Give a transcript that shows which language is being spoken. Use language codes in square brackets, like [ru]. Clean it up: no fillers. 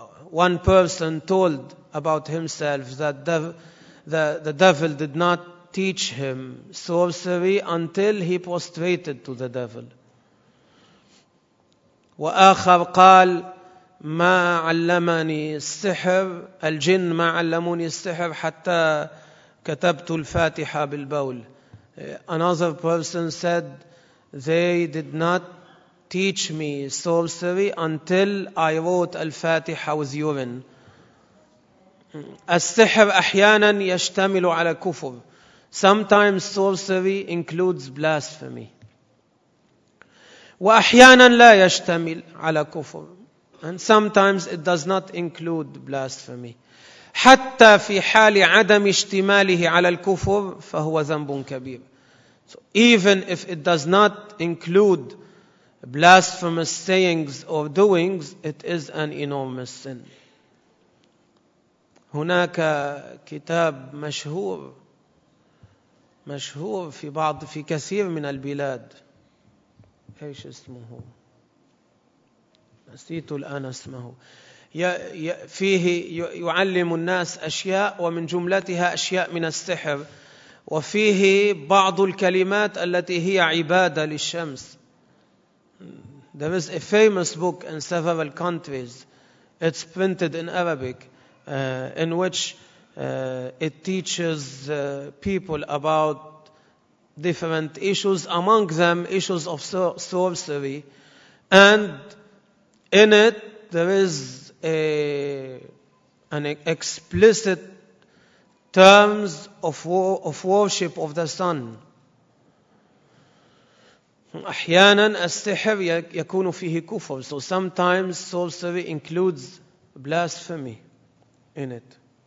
[en] One person told about himself that the devil did not teach him sorcery until he prostrated to the devil. [ar] وآخر قال ما علمني السحر الجن ما علموني السحر حتى كتبت الفاتحة بالبول. [en] Another person said, they did not teach me sorcery until I wrote Al-Fatiha with urine. [ar] السحر أحيانا يشتمل على كفر. [en] Sometimes sorcery includes blasphemy. [ar] وأحيانا لا يشتمل على كفر. [en] And sometimes it does not include blasphemy. [ar] حتى في حال عدم اشتماله على الكفر فهو ذنب كبير. [en] So even if it does not include blasphemous sayings or doings, it is an enormous sin. [ar] هناك كتاب مشهور مشهور في بعض في كثير من البلاد. ايش اسمه؟ نسيت الان اسمه. فيه يعلم الناس اشياء ومن جملتها اشياء من السحر، وفيه بعض الكلمات التي هي عبادة للشمس. [en] There is a famous book in several countries. It's printed in Arabic, in which it teaches people about different issues, among them issues of sorcery. And in it, there is an explicit terms of worship of the sun. [ar] أحيانا السحر يكون فيه كفر. [en] So sometimes sorcery includes blasphemy in it.